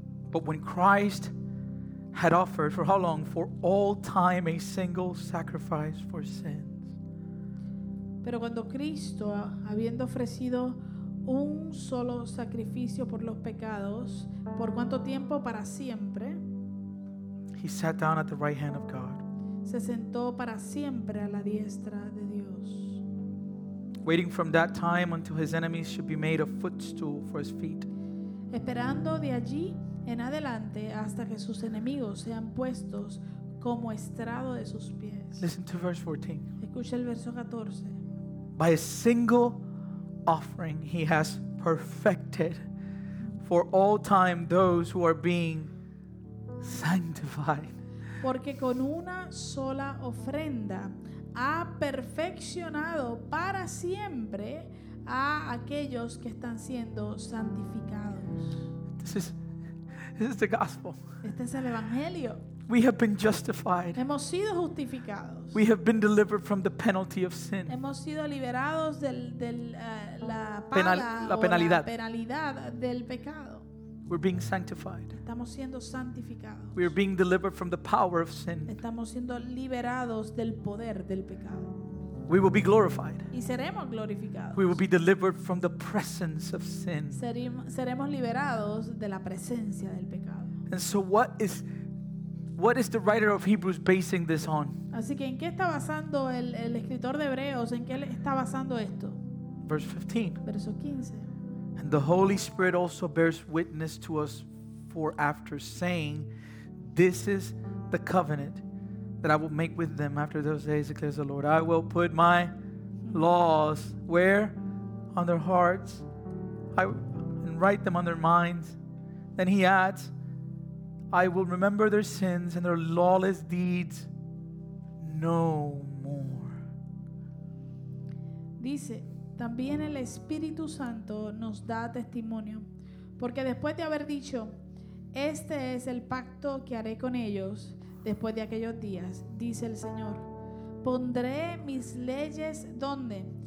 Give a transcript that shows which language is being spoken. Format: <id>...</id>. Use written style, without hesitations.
<en>But when Christ had offered for how long? For all time a single sacrifice for sins.</en> <es>Pero cuando Cristo, habiendo ofrecido un solo sacrificio por los pecados, ¿por cuánto tiempo? Para siempre.</es> <en>He sat down at the right hand of God.</en> <es>Se sentó para siempre a la diestra de Dios.</es> <en>Waiting from that time until his enemies should be made a footstool for his feet.</en> <es>Esperando de allí en adelante hasta que sus enemigos sean puestos como estrado de sus pies.</es> <en>Listen to verse 14.</en> <es>Escucha el verso 14.</es> <en>By a single offering he has perfected for all time those who are being sanctified.</en> <es>Porque con una sola ofrenda ha perfeccionado para siempre a aquellos que están siendo santificados.</es> <en>This is the gospel.</en> <es>Este es el evangelio.</es> <en>We have been justified.</en> <es>Hemos sido justificados.</es> <en>We have been delivered from the penalty of sin.</en> <es>Hemos sido liberados de la penalidad. La penalidad del pecado.</es> <en>We're being sanctified.</en> <es>Estamos siendo santificados.</es> <en>We are being delivered from the power of sin.</en> <es>Estamos siendo liberados del poder del pecado.</es> <en>We will be glorified.</en> <es>Y seremos glorificados.</es> <en>We will be delivered from the presence of sin.</en> <es>Seremos liberados de la presencia del pecado.</es> <en>And so what is the writer of Hebrews basing this on?</en> <es>Así que, ¿en qué está basando el escritor de Hebreos? ¿En qué está basando esto?</es> <en>verse 15. And the Holy Spirit also bears witness to us for after, saying, this is the covenant that I will make with them after those days, declares the Lord. I will put my laws where? On their hearts. And write them on their minds. Then he adds, I will remember their sins and their lawless deeds no more.</en> <es>Dice, también el Espíritu Santo nos da testimonio, porque después de haber dicho, este es el pacto que haré con ellos después de aquellos días, dice el Señor, pondré mis leyes ¿dónde?</es>